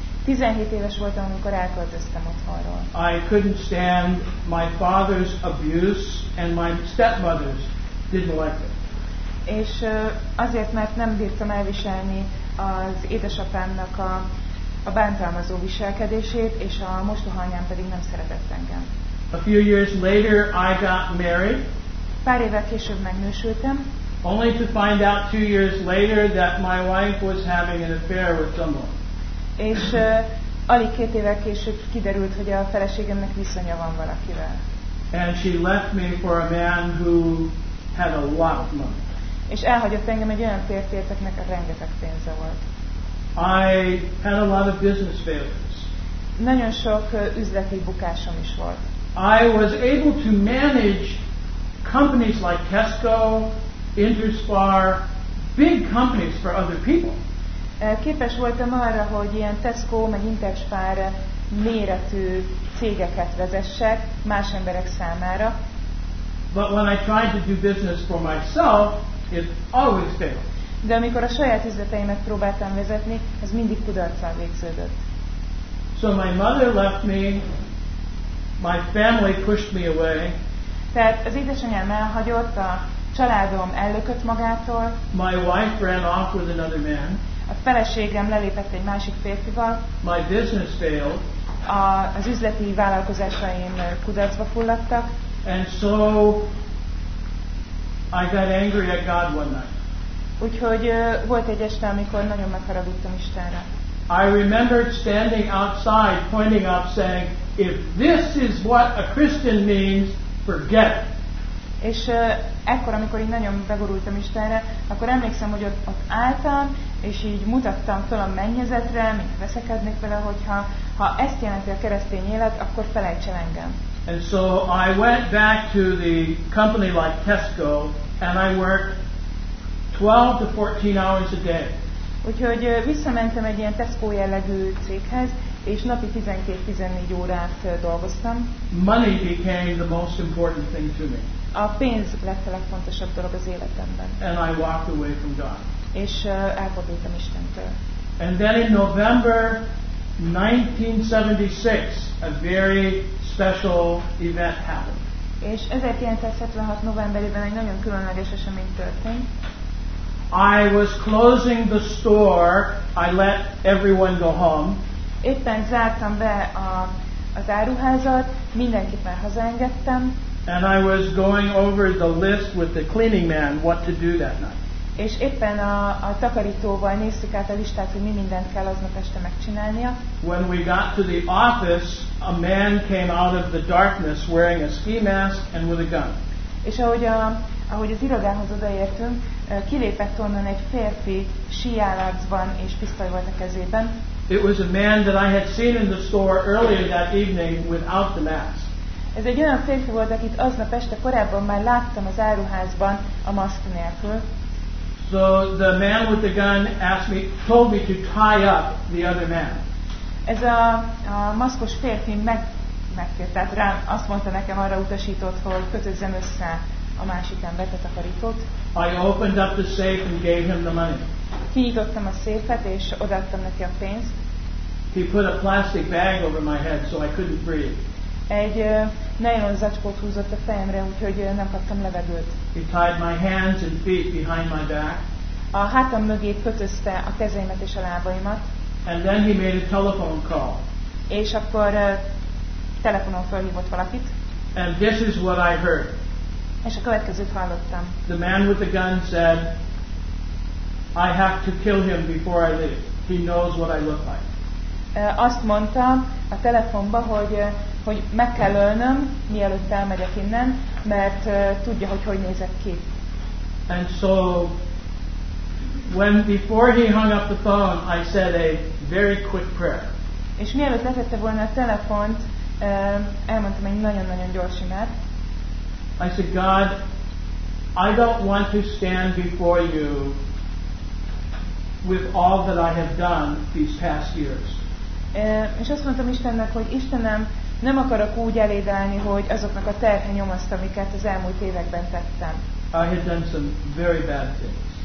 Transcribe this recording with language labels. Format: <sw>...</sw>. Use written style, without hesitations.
<hu>17 éves voltam, amikor elköltöztem otthonról.</hu> <en>I couldn't stand my father's abuse and my stepmother's didn't like it.</en> <hu>És azért, mert nem bírtam elviselni az édesapámnak a bántalmazó viselkedését, és a mostoha anyám pedig nem szeretett engem.</hu> <en>A few years later I got married.</en> <hu>Pár évvel később megnősültem.</hu> <en>Only to find out 2 years later that my wife was having an affair with someone.</en> <hu>És alig 2 évvel később kiderült, hogy a feleségemnek viszonya van valakivel.</hu> <en>And she left me for a man who had a lot of money.</en> <hu>És elhagyott engem egy olyan férfiért, akinek rengeteg pénze volt.</hu> <en>I had a lot of business failures.</en> <hu>Nagyon sok üzleti bukásom is volt.</hu> <en>I was able to manage companies like Tesco, Interspar, big companies for other people.</en> <hu>Képes voltam arra, hogy ilyen Tesco meg Interspar méretű cégeket vezessek más emberek számára.</hu> <en>But when I tried to do business for myself, it always failed.</en> <hu>De amikor a saját üzleteimet próbáltam vezetni, ez mindig kudarccal végződött.</hu> <en>So my mother left me, my family pushed me away.</en> <hu>Tehát az édesanyám elhagyott, a családom ellökött magától.</hu> <en>My wife ran off with another man.</en> <hu>A feleségem lelépett egy másik férfival.</hu> <en>My business failed.</en> <hu>Az üzleti vállalkozásaim kudarcba fulladtak.</hu> <en>And so I got angry at God one night.</en> <hu>Úgyhogy volt egy este, amikor nagyon megharagudtam Istenre.</hu> <en>I remembered standing outside, pointing up, saying, "If this is what a Christian means, forget."</en> <hu>És ekkor, amikor én nagyon begurultam Istenre, akkor emlékszem, hogy ott álltam, és így mutattam föl a mennyezetre, mint veszekednék vele, hogyha ha ezt jelenti a keresztény élet, akkor felejts el engem.</hu> <en>And so I went back to the company like Tesco, and I worked 12 to 14 hours a day.</en> <hu>Úgyhogy visszamentem egy ilyen Tesco jellegű céghez, és napi 12-14 órát dolgoztam.</hu> <en>Money became the most important thing to me.</en> <hu>A pénz lett a legfontosabb dolog az életemben.</hu> <en>And I walked away from God.</en> <hu>És elfordultam Istentől.</hu> <en>And then in November 1976, a very special event happened.</en> <hu>És 1976 novemberében egy nagyon különleges esemény történt.</hu> <en>I was closing the store. I let everyone go home.</en> <hu>Éppen zártam be az áruházat, mindenkit már hazaengedtem.</hu> <en>And I was going over the list with the cleaning man what to do that night.</en> <hu>És éppen a takarítóval néztük át a listát, hogy mi mindent kell aznap este megcsinálnia.</hu> <en>When we got to the office, a man came out of the darkness wearing a ski mask and with a gun.</en> <hu>És ahogy az irodához odaértünk, kilépett onnan egy férfi síjáracban és pisztoly volt a kezében.</hu> <en>It was a man that I had seen in the store earlier that evening without the mask.</en> <hu>Ez egy olyan férfi volt, akit aznap este korábban már láttam az áruházban a maszk nélkül.</hu> <en>So the man with the gun asked me, told me to tie up the other man.</en> <hu>Ez a maszkos férfi megkért, tehát rám azt mondta nekem, arra utasított, hogy kötözzem össze a másik embert, a takarítót.</hu> <en>I opened up the safe and gave him the money.</en> <hu>Kinyitottam a széfet és odaadtam neki a pénzt.</hu> <en>He put a plastic bag over my head so I couldn't breathe.</en> <hu>Egy nylon zacskót húzott a fejemre, úgyhogy nem kaptam levegőt.</hu> <en>He tied my hands and feet behind my back.</en> <hu>A hátam mögé kötözte a kezeimet és a lábaimat.</hu> <en>And then he made a telephone call.</en> <hu>És akkor telefonon felhívott valakit.</hu> <en>And this is what I heard.</en> <hu>És a következőt hallottam.</hu> <en>The man with the gun said, "I have to kill him before I leave. He knows what I look like."</en> <hu>Azt mondta a telefonba, hogy meg kell ölnöm, mielőtt elmegyek innen, mert tudja, hogy nézek ki.</hu> <en>And so, when before he hung up the phone, I said a very quick prayer.</en> <hu>És mielőtt letette volna a telefont, elmondtam egy nagyon-nagyon gyors imát.</hu> <en>I said, "God, I don't want to stand before you with all that I have done these past years."</en> <hu>És azt mondtam Istennek, hogy Istenem, nem akarok úgy eléd állni, hogy azoknak a terhe nyomaszt, amiket az elmúlt években tettem.</hu> <en>I had done some very bad things.</en>